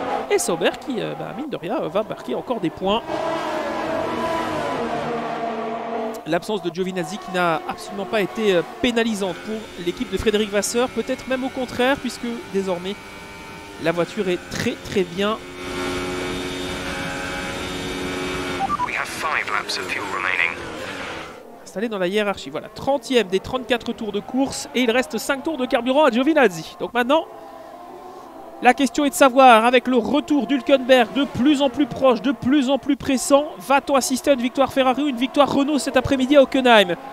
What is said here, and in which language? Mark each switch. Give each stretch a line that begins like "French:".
French: Et Sauber qui, mine de rien, va marquer encore des points. L'absence de Giovinazzi qui n'a absolument pas été pénalisante pour l'équipe de Frédéric Vasseur. Peut-être même au contraire, puisque désormais, la voiture est très très bien.
English: We have 5 laps of fuel remaining.
French: Installé dans la hiérarchie. Voilà, 30e des 34 tours de course. Et il reste 5 tours de carburant à Giovinazzi. Donc maintenant, la question est de savoir, avec le retour d'Hülkenberg de plus en plus proche, de plus en plus pressant, va-t-on assister à une victoire Ferrari ou une victoire Renault cet après-midi à Hockenheim?